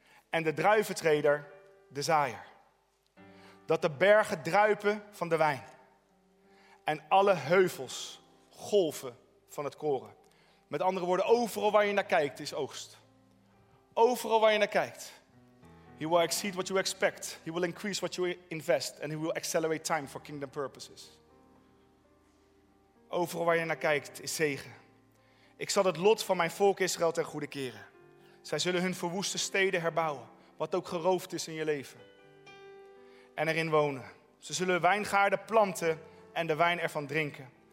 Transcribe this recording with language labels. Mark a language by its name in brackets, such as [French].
[Dutch] En de druiventreder de zaaier. Dat de bergen druipen van de wijn. En alle heuvels golven van het koren. Met andere woorden, overal waar je naar kijkt is oogst. Overal waar je naar kijkt. [English] He will exceed what you expect. He will increase what you invest. And he will accelerate time for kingdom purposes. [Dutch] Overal waar je naar kijkt is zegen. Ik zal het lot van mijn volk Israël ten goede keren. Zij zullen hun verwoeste steden herbouwen. Wat ook geroofd is in je leven. En erin wonen. Ze zullen wijngaarden planten en de wijn ervan drinken.